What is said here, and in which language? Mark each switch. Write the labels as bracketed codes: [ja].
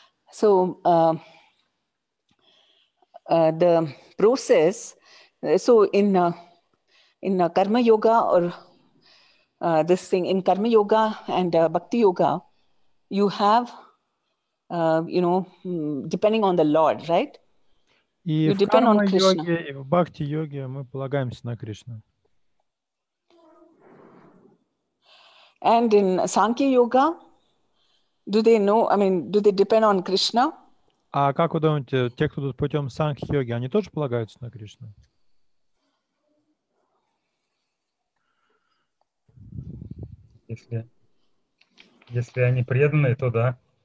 [en] So the process, so in Karma Yoga or this thing, in Karma Yoga and Bhakti Yoga, you have, depending on the Lord, right? [ru] И you в карма-йоге, и в бхакти-йоге мы полагаемся на Кришну. [en] And in Sankhya-йога, do they know, I mean, do they depend on Krishna? [ru] А как вы думаете, те, кто тут путем Sankhya-йоги, они тоже полагаются на Кришну? Если они преданные, то да.